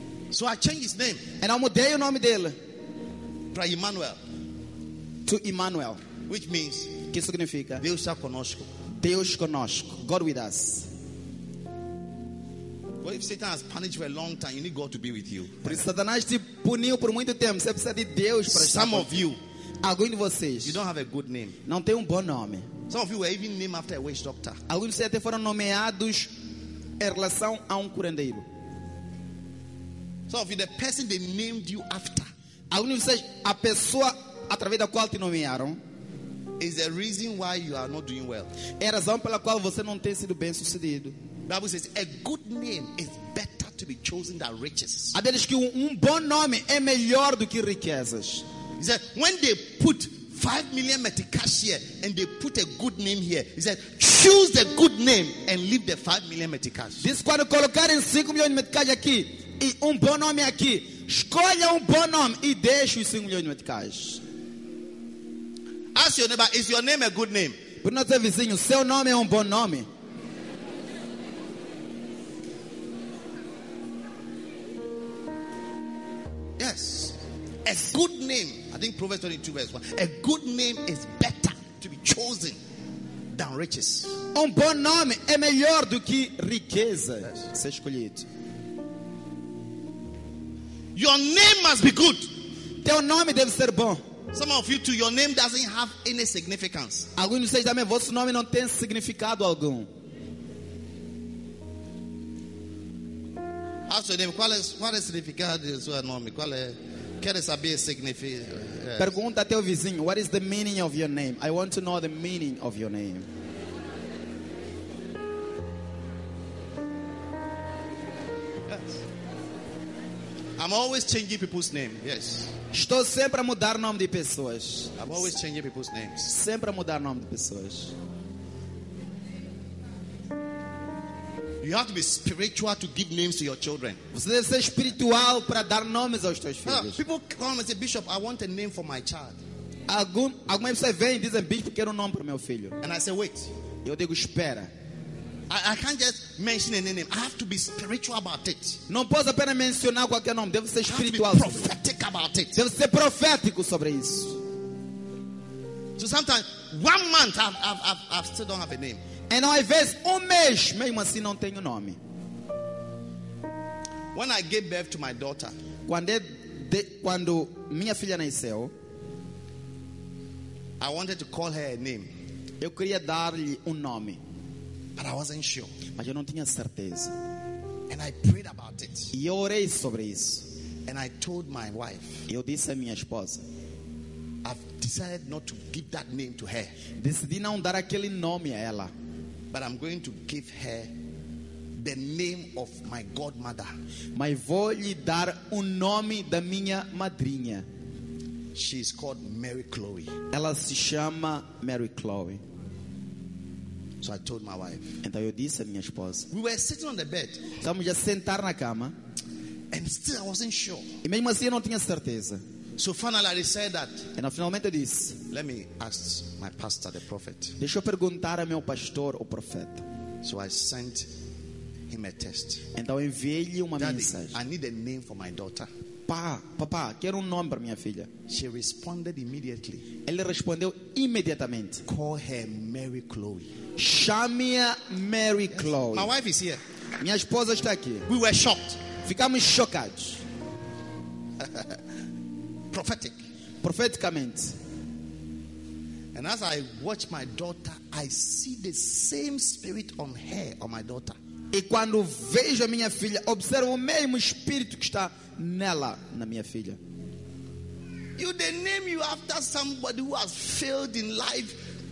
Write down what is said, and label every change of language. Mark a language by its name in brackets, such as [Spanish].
[English] So I changed his name. [Portuguese] And eu mudei o nome dele. Para Emmanuel. [English] To Emmanuel. Which means? [Portuguese] Que significa? Deus está conosco. Deus conosco. [English] God with us. Well, if Satan has punished you for a long time, you need God to be with you. [Portuguese] Por isso Satanás te puniu por muito tempo. Você precisa de Deus para [English] estar. Some of you. [Portuguese] Alguns de vocês. [English] You don't have a good name. [Portuguese] Não tem bom nome. [English] Some of you were even named after a witch doctor. [Portuguese] Alguns de vocês até foram nomeados em relação a curandeiro. [English] Some of you, the person they named you after. [Portuguese] Alguns de vocês, a pessoa através da qual te nomearam. [English] Is the reason why you are not doing well. [Portuguese] É a razão pela qual você não tem sido bem sucedido. [English] Bible says a good name is better to be chosen than riches. [Portuguese] A Bíblia diz que bom nome é melhor do que riquezas. [English] He said, when they put 5 million meticas here and they put a good name here, he said, choose the good name and leave the 5 million meticas. [Portuguese] Diz quando colocarem 5 milhões de meticas aqui e bom nome aqui, escolha bom nome e deixe os 5 milhões de meticas. [English] Ask your neighbor, is your name a good name? [Portuguese] Pergunta ao seu vizinho, seu nome é bom nome? [English] Yes. A good name. I think Proverbs 22 verse 1. A good name is better to be chosen than riches. [Portuguese] Bom nome é melhor do que riqueza. Yes. Se escolhido. [English] Your name must be good. [Portuguese] Teu nome deve ser bom. [English] Some of you too, your name doesn't have any significance. [Portuguese] Alguns de vocês também, vosso nome não tem significado algum. [English] Ask your name, [Portuguese] qual é o significado do seu nome? Qual é? Quero saber o significado. [English] Yes. [Portuguese] Pergunta ao teu vizinho, [English] what is the meaning of your name? I want to know the meaning of your name. Yes. I'm always changing people's name, yes. [Portuguese] Estou sempre a mudar o nome de pessoas. [English] I'm always changing people's names. [Portuguese] Sempre a mudar o nome de pessoas. [English] You have to be spiritual to give names to your children. [Portuguese] Você deve ser espiritual para dar nomes aos teus filhos. [English] People come and say, Bishop, I want a name for my child. [Portuguese] Alguma pessoa vem e diz, Bishop, quero nome para meu filho. [English] And I say, wait. [Portuguese] Eu digo, espera. [English] I can't just mention any name. I have to be spiritual about it. [Portuguese] Não posso apenas mencionar qualquer nome. Devo ser espiritual. [English] I have to be prophetic about it. [Portuguese] Devo ser profético sobre isso. [English] So sometimes, one month, I still don't have a name. [Portuguese] E não, às vezes, mês, mesmo assim, não tenho nome. [English] When I gave birth to my daughter, [Portuguese] quando minha filha nasceu, [English] I wanted to call her a name. [Portuguese] Eu queria dar-lhe nome. [English] But I wasn't sure. [Portuguese] Mas eu não tinha certeza. [English] And I prayed about it. [Portuguese] E eu orei sobre isso. [English] And I told my wife. [Portuguese] Eu disse à minha esposa. [English] I've decided not to give that name to her. [Portuguese] Decidi não dar aquele nome a ela. [English] But I'm going to give her the name of my godmother. [Portuguese] Mas vou lhe dar nome da minha madrinha. [English] She is called Mary Chloe. [Portuguese] Ela se chama Mary Chloe. [English] So I told my wife. [Portuguese] Então eu disse à minha esposa. [English] We were sitting on the bed. [Portuguese] Estávamos a sentar na cama. [English] And still I wasn't sure. [Portuguese] E mesmo assim eu não tinha certeza. [English] So finally I said that. [Portuguese] E finalmente eu disse. [English] Let me ask my pastor, the prophet. [Portuguese] Deixa eu perguntar ao meu pastor, o profeta. [English] So I sent him a text. [Portuguese] Então eu enviei-lhe uma mensagem. [English] I need a name for my daughter. [Portuguese] Papá, quero nome para minha filha. [English] She responded immediately. [Portuguese] Ele respondeu imediatamente. [English] Call her Mary Chloe. [Portuguese] Chame-a Mary, yes. Chloe. [English] My wife is here. [Portuguese] Minha esposa está aqui. [English] We were shocked. [Portuguese] Ficamos chocados. [English] Prophetic. [Portuguese] Profeticamente. [English] And as I watch my daughter, I see the same spirit on her, on my daughter. [Portuguese] E quando vejo a minha filha, observo o mesmo espírito que está nela, na minha filha. [English] You they name you after somebody who has failed in life.